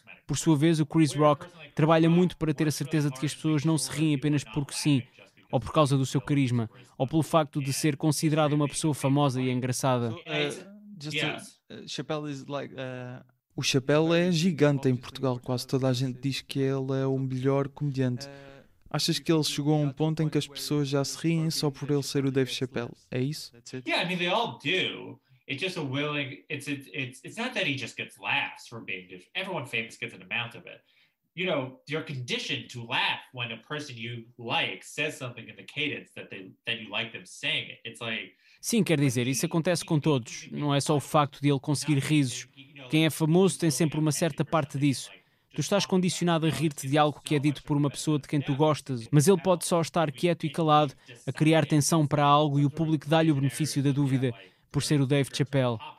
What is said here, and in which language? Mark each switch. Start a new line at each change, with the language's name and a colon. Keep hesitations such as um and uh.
Portuguese: Por sua vez, o Chris Rock trabalha muito para ter a certeza de que as pessoas não se riem apenas porque sim, ou por causa do seu carisma, ou pelo facto de ser considerado uma pessoa famosa e engraçada.
English: So, uh, just to- Yeah.
Portuguese: uh,
English: Chappelle is like
Portuguese: uh, o Chapéu é gigante em Portugal, quase toda a gente diz que ele é o melhor comediante. Achas que ele chegou a um ponto em que as pessoas já se riem só por ele ser o Dave Chappelle? É isso?
English: That's it. Yeah, I mean they all do. It's just a willing. It's it's it's it's not that he just gets laughs from being different. Everyone famous gets an amount of it. You know, you're conditioned to laugh when a person you like says something in the cadence that they that you like them saying it. It's like
Portuguese: Sim, quer dizer, isso acontece com todos, não é só o facto de ele conseguir risos. Quem é famoso tem sempre uma certa parte disso. Tu estás condicionado a rir-te de algo que é dito por uma pessoa de quem tu gostas, mas ele pode só estar quieto e calado, a criar tensão para algo e o público dá-lhe o benefício da dúvida, por ser o Dave Chappelle.